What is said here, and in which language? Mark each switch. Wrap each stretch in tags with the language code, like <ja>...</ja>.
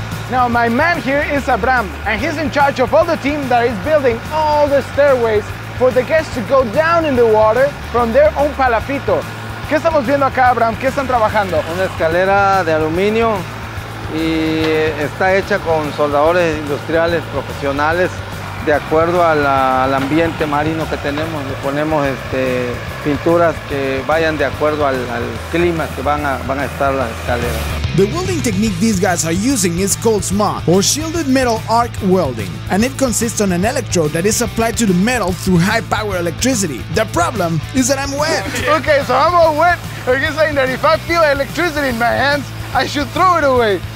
<en>Now, my man here is Abraham, and he's in charge of all the team that is building all the stairways for the guests to go down in the water from their own palafito.</en> <es>¿Qué estamos viendo acá, Abraham? ¿Qué están trabajando? Una escalera de aluminio y está hecha con soldadores industriales profesionales de acuerdo al ambiente marino que tenemos. Le ponemos pinturas que vayan de acuerdo al clima que van a estar las escaleras.</es> <en>The welding technique these guys are using is called SMOT, or shielded metal arc welding, and it consists on an electrode that is applied to the metal through high power electricity. The problem is that I'm wet. Okay, so I'm all wet, but you're saying that if I feel electricity in my hands, I should throw it away.</en>